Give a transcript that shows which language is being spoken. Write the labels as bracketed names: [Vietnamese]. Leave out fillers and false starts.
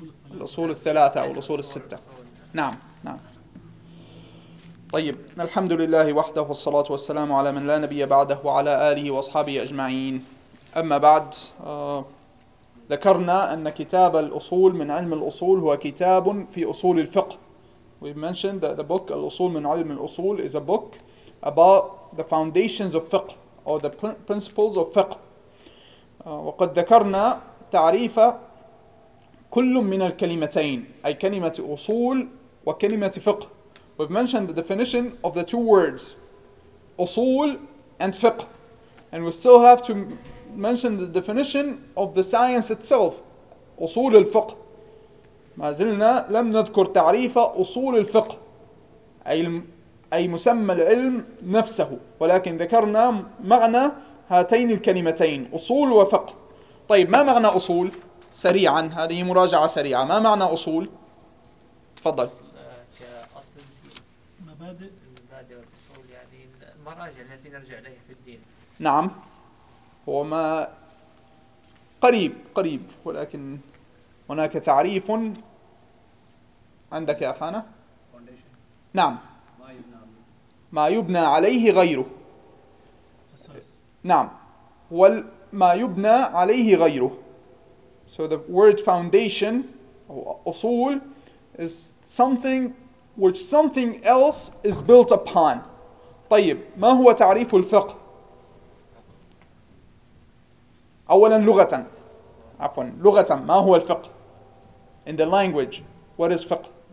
[Arabic] الأصول الثلاثة أو الأصول الستة. نعم، نعم. طيب، الحمد لله وحده والصلاة والسلام على من لا نبي بعده وعلى آله وأصحابه أجمعين. أما بعد، ذكرنا أن كتاب الأصول من علم الأصول هو كتاب في أصول الفقه. [English] We mentioned that the book [Arabic] الأصول من علم الأصول [English] is a book about the foundations of fiqh or the principles of fiqh. [Arabic] وقد ذكرنا تعريف كل من الكلمتين، أي كلمة أصول وكلمة فقه. [English] We've mentioned the definition of the two words, أصول and فقه. And we still have to mention the definition of the science itself, أصول الفقه. [Arabic] ما زلنا لم نذكر تعريف أصول الفقه، أي مسمى العلم نفسه، ولكن ذكرنا معنى هاتين الكلمتين، أصول وفقه. طيب، ما معنى أصول؟ سريعا، هذه مراجعة سريعة، ما معنى أصول؟ تفضل. كأصل الدين، مبادئ، مبادئ الأصول، يعني المراجع التي نرجع إليها في الدين. نعم، هو ما قريب، ولكن هناك تعريف عندك يا أخانا. نعم، ما يبنى عليه غيره. نعم، وما يبنى عليه غيره. [English] So the word foundation, أصول, is something which something else is built upon. [Arabic] طيب، ما هو تعريف الفقه؟ أولاً لغة، ما هو الفقه؟ [English] In the language, what is [Arabic] فقه؟